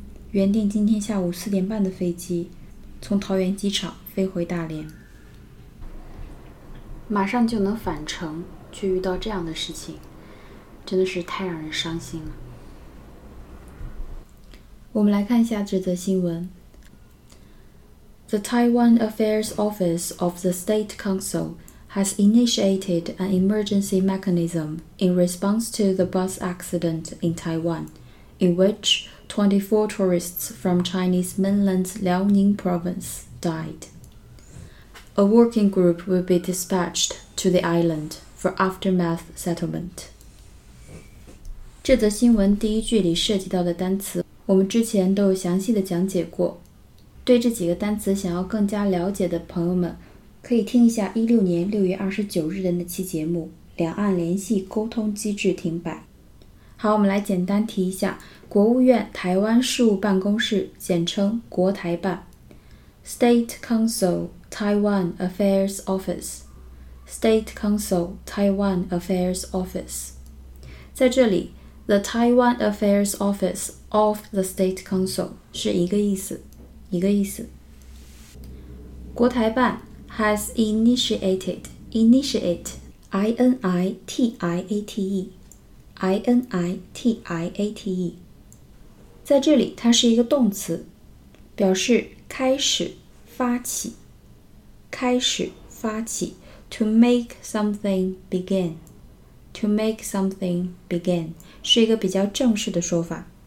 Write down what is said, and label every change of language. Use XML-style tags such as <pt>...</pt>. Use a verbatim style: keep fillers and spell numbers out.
<zh>原定今天下午四点半的飞机从桃园机场飞回大连，马上就能返程，却遇到这样的事情，真的是太让人伤心了。我们来看一下这则新闻。</zh> <en>The Taiwan Affairs Office of the State Council has initiated an emergency mechanism in response to the bus accident in Taiwan, in which twenty-four tourists from Chinese mainland Liaoning province died. A working group will be dispatched to the island for aftermath settlement.</en> <zh>这则新闻第一句里涉及到的单词，我们之前都有详细的讲解过。对这几个单词想要更加了解的朋友们，可以听一下一六年六月二十九日的那期节目，两岸联系沟通机制停摆。好，我们来简单提一下，国务院台湾事务办公室，简称国台办 State Council</zh> <en>Taiwan Affairs Office State Council Taiwan Affairs Office 在这里 The Taiwan Affairs Office of the State Council 是一个意思一个意思国台办 has initiated initiate I N I T I A T E I N I T I A T E 在这里它是一个动词表示开始发起开始发起 to make something begin to make something begin 是一个比较正式的说法</en>